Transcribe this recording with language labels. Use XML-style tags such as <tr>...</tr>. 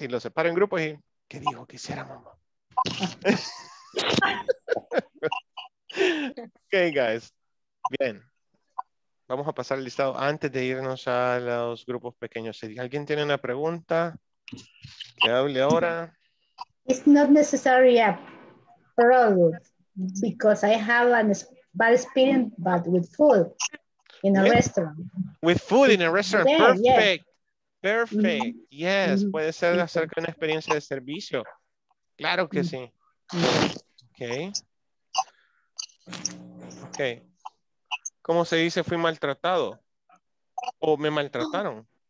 <es>Y lo separo en grupos y ¿qué dijo? ¿Qué hiciera mamá?</es> <en>Ok, guys.</en> <es>Bien. Vamos a pasar el listado antes de irnos a los grupos pequeños. Si alguien tiene una pregunta, que hable ahora.</es> <en>It's not necessary a product because I have a bad experience, but with food in a restaurant. With food in a restaurant, yeah, perfect. Yeah. Perfect, mm-hmm. Yes. Mm-hmm.</en> <es>Puede ser acerca de una experiencia de servicio. Claro que mm-hmm. sí. Okay. Okay. ¿Cómo se dice fui maltratado? ¿O me maltrataron?</es>